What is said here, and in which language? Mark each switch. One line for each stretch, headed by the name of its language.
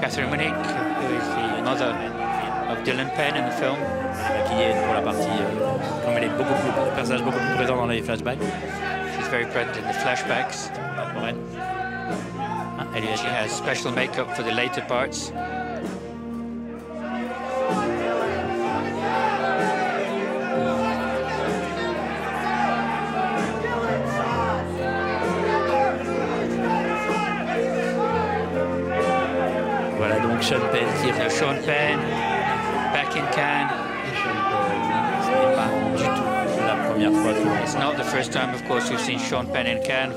English: Catherine Winnick, who is the mother of Dylan Penn in the film.
French: Qui est pour la partie... comme elle est beaucoup plus... le personnage beaucoup plus présent dans les flashbacks.
English: She's very present in the flashbacks. And she has special makeup for the later parts.
French: Voilà donc Sean Penn qui est revenu.
English: Sean Penn, back in Cannes.
French: Ce n'est pas du tout la première fois.
English: It's not the first time, of course, you've seen Sean Penn in Cannes.